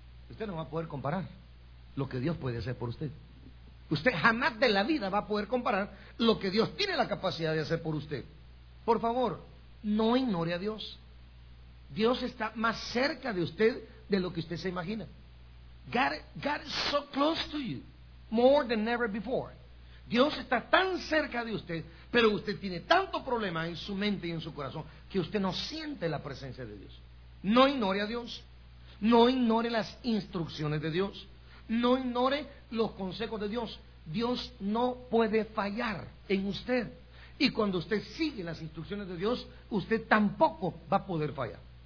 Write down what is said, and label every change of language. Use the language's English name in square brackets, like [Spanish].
[Spanish] Usted no va a poder comparar lo que Dios puede hacer por usted. Usted jamás de la vida va a poder comparar lo que Dios tiene la capacidad de hacer por usted. Por favor, no ignore a Dios. Dios está más cerca de usted de lo que usted se imagina. [English] God is so close to you, more than ever before. [Spanish] Dios está tan cerca de usted, pero usted tiene tanto problema en su mente y en su corazón que usted no siente la presencia de Dios. No ignore a Dios. No ignore las instrucciones de Dios. No ignore los consejos de Dios. Dios no puede fallar en usted. Y cuando usted sigue las instrucciones de Dios, usted tampoco va a poder fallar.